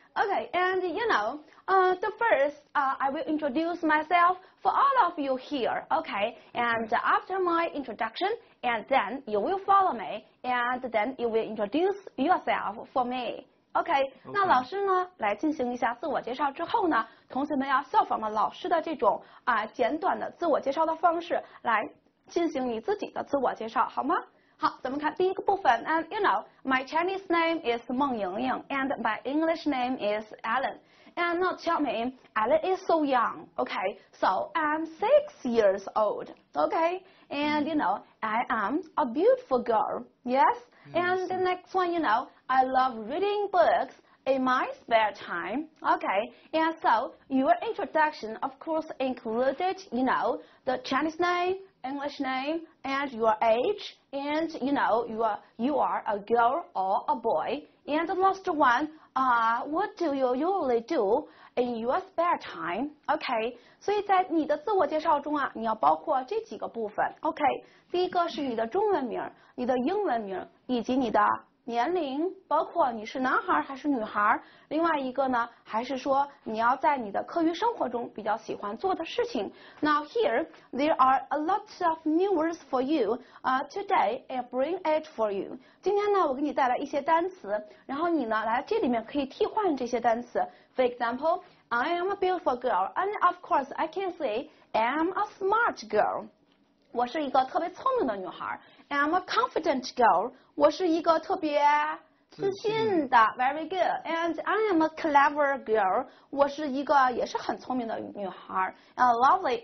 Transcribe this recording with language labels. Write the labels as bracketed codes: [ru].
[en] Okay, and you know, the first, I will introduce myself for all of you here. Okay, and after my introduction, and then you will follow me, and then you will introduce yourself for me. [zh] Okay, 那老师呢，来进行一下自我介绍之后呢，同学们要效仿了老师的这种简短的自我介绍的方式来。进行你自己的自我介绍，好吗？好，咱们看第一个部分。 [en] And you know, my Chinese name is Meng Yingying, and my English name is Alan. And now tell me, Alan is so young, okay? So I'm 6 years old, okay? And you know, I am a beautiful girl, yes? And the next one, you know, I love reading books in my spare time, okay? And so your introduction, of course, included, you know, the Chinese name. English name and your age, and you know you are a girl or a boy. And the last one, what do you usually do in your spare time? [zh] Okay, 所以在你的自我介绍中啊，你要包括这几个部分。 Okay, 第一个是你的中文名、你的英文名以及你的年龄，包括你是男孩还是女孩。另外一个呢，还还是说你要在你的课余生活中比较喜欢做的事情。 [en] Now here, there are a lot of new words for you. Today, I bring it for you. [zh] 今天呢，我给你带来一些单词，然后你呢，来这里面可以替换这些单词。 [en] For example, I am a beautiful girl, and of course, I can say I'm a smart girl. [zh] 我是一个特别聪明的女孩 [en] I'm a confident girl. [zh] 我是一个特别自信的 [en] Very good. And I am a clever girl. [zh] 我是一个也是很聪明的女孩 [en] And lovely.